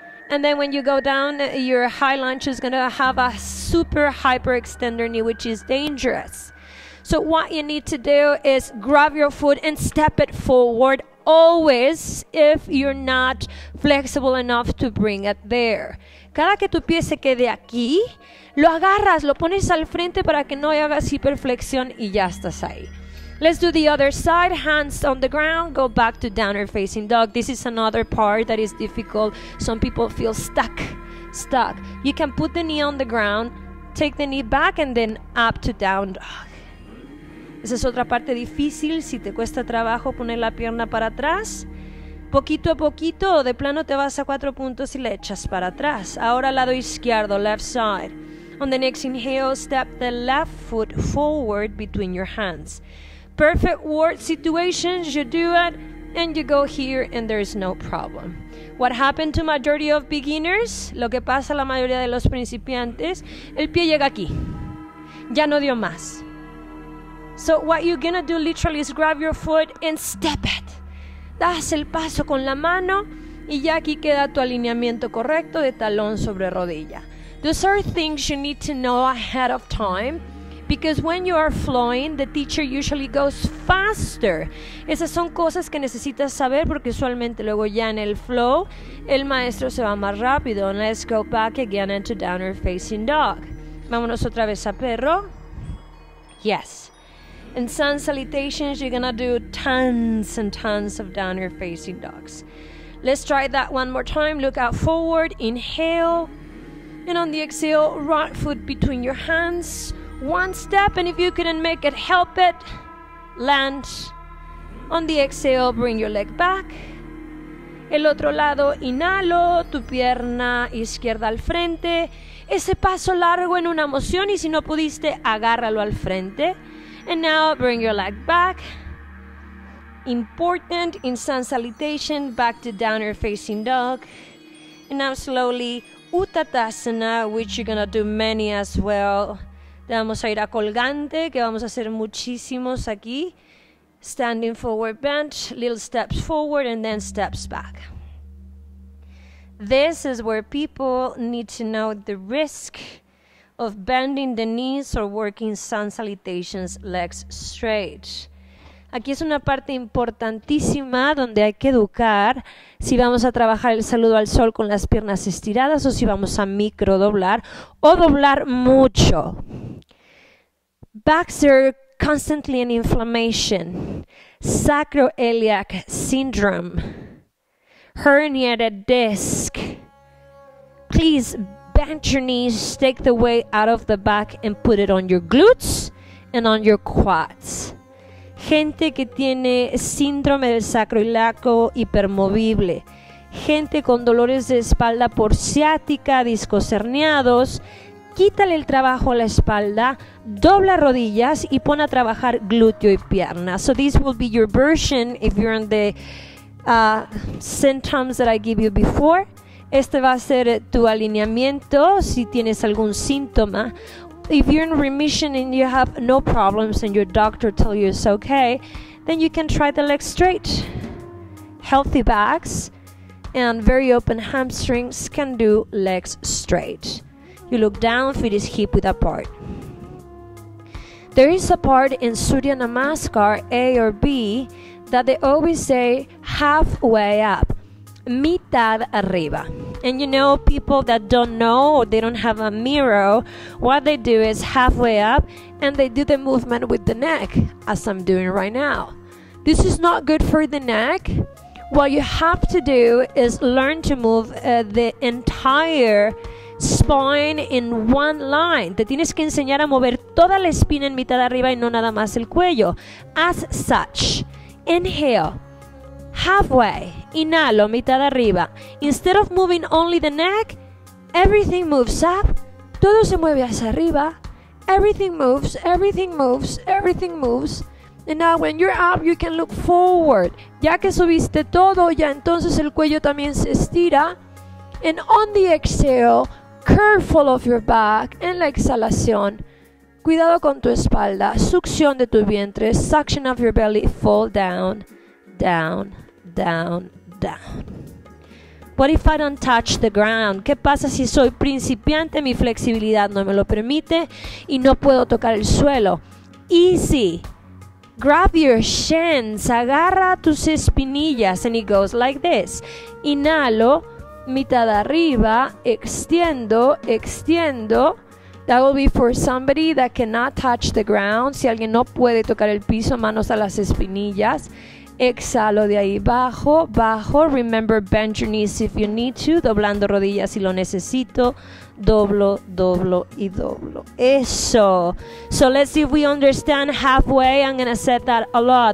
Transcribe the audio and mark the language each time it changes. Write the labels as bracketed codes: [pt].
[en] And then when you go down, your high lunge is gonna have a super hyper extender knee, which is dangerous. So what you need to do is grab your foot and step it forward always if you're not flexible enough to bring it there. [es] Cada que tu pie se quede aquí, lo agarras, lo pones al frente para que no hagas hiperflexión y ya estás ahí. [en] Let's do the other side, hands on the ground, go back to downward facing dog. This is another part that is difficult. Some people feel stuck. You can put the knee on the ground, take the knee back and then up to down dog. [es] Esa es otra parte difícil, si te cuesta trabajo poner la pierna para atrás. Poquito a poquito, de plano te vas a 4 puntos y le echas para atrás. Ahora lado izquierdo, [en] left side. On the next inhale, step the left foot forward between your hands. Perfect word situations, you do it, and you go here, and there is no problem. What happened to majority of beginners? [es] Lo que pasa a la mayoría de los principiantes, el pie llega aquí. Ya no dio más. [en] So what you're gonna do literally is grab your foot and step it. [es] Das el paso con la mano y ya aquí queda tu alineamiento correcto de talón sobre rodilla. [en] Those are things you need to know ahead of time, because when you are flowing, the teacher usually goes faster. [es] Esas son cosas que necesitas saber porque usualmente luego ya en el flow, el maestro se va más rápido. [en] And let's go back again into downward facing dog. [es] Vámonos otra vez a perro. [en] Yes. In sun salutations, you're gonna do tons and tons of downward facing dogs. Let's try that one more time. Look out forward, inhale. And on the exhale, right foot between your hands. One step, and if you couldn't make it, help it. Land. On the exhale, bring your leg back. [es] El otro lado, inhalo, tu pierna izquierda al frente. Ese paso largo en una emoción, y si no pudiste, agárralo al frente. [en] And now bring your leg back. Important in sun salutation, back to downward facing dog. And now slowly, Uttanasana, which you're gonna do many as well. [es] Le vamos a ir a colgante, que vamos a hacer muchísimos aquí. [en] Standing forward bench, little steps forward and then steps back. This is where people need to know the risk of bending the knees or working sun salutations legs straight. [es] Aquí es una parte importantísima donde hay que educar si vamos a trabajar el saludo al sol con las piernas estiradas o si vamos a micro doblar o doblar mucho. [en] Backs are constantly in inflammation. Sacroiliac syndrome. Herniated disc. Please bend your knees, take the weight out of the back and put it on your glutes and on your quads. [es] Gente que tiene síndrome del sacroiliaco hipermovible. Gente con dolores de espalda por ciática, discos herniados. Quítale el trabajo a la espalda, dobla rodillas y pon a trabajar glúteo y pierna. [en] So this will be your version if you're in the symptoms that I give you before. [es] Este va a ser tu alineamiento si tienes algún síntoma. [en] If you're in remission and you have no problems and your doctor tells you it's okay, then you can try the legs straight. Healthy backs and very open hamstrings can do legs straight. You look down, feet is hip width apart. There is a part in Surya Namaskar, A or B, that they always say halfway up, [es] mitad arriba. [en] And you know, people that don't know or they don't have a mirror, what they do is halfway up and they do the movement with the neck, as I'm doing right now. This is not good for the neck. What you have to do is learn to move the entire spine in one line. [es] Te tienes que enseñar a mover toda la espina en mitad arriba y no nada más el cuello. [en] As such, inhale, halfway, [es] inhalo, mitad arriba. [en] Instead of moving only the neck, everything moves up, [es] todo se mueve hacia arriba. [en] Everything moves, everything moves, everything moves. And now when you're up, you can look forward. [es] Ya que subiste todo, ya entonces el cuello también se estira. [en] And on the exhale, careful of your back. [es] En la exhalación, cuidado con tu espalda. Succión de tu vientre. [en] Suction of your belly. Fall down, down, down, down. What if I don't touch the ground? [es] ¿Qué pasa si soy principiante? Mi flexibilidad no me lo permite y no puedo tocar el suelo. [en] Easy. Grab your shins. [es] Agarra tus espinillas. [en] And it goes like this. [es] Inhalo. Mitad arriba, extiendo, extiendo. [en] That will be for somebody that cannot touch the ground. [es] Si alguien no puede tocar el piso, manos a las espinillas. Exhalo de ahí, bajo, bajo. [en] Remember, bend your knees if you need to. [es] Doblando rodillas si lo necesito. Doblo, doblo y doblo. Eso. [en] So let's see if we understand halfway. I'm going to say that a lot.